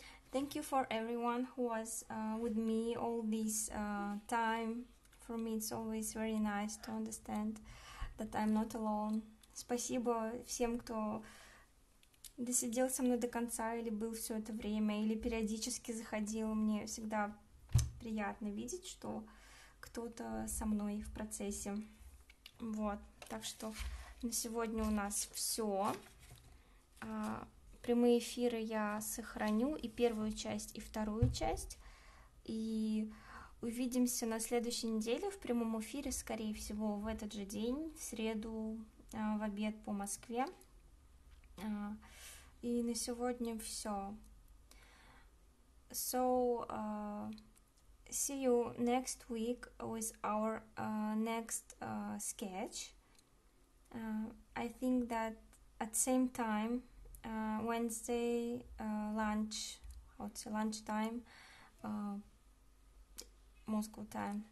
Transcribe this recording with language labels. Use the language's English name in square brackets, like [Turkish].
[English] Thank you for everyone who was with me all this time. For me, it's always very nice to understand that I'm not alone. [Russian] Спасибо всем, кто досидел со мной до конца или был все это время, или периодически заходил. Мне всегда приятно видеть, что кто-то со мной в процессе. Вот. Так что на сегодня у нас все. Прямые эфиры я сохраню, и первую часть, и вторую часть. И увидимся на следующей неделе в прямом эфире, скорее всего, в этот же день, в среду, в обед по Москве. И на сегодня все. [English] So, see you next week with our next sketch. I think that at same time, Wednesday lunch, or it's lunch time, Moscow time.